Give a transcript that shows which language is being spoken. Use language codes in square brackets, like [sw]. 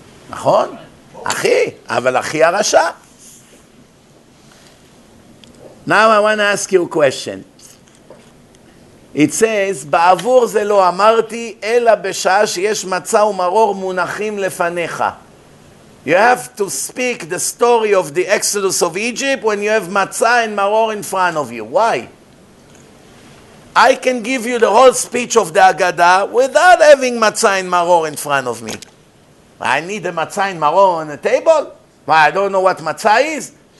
[he] נכון? אחי, אבל אחי הרשע. [en] Now I want to ask you a question. It says, [he] בעבור זה לא אמרתי, אלא בשעה שיש מצה ומרור מונחים לפניך. [en] You have to speak the story of the Exodus of Egypt when you have מצה and מרור in front of you. Why? I can give you the whole speech of the Agada without having matzah and maror in front of me. I need a matzah and maror on the table. Why? I don't know what matzah is.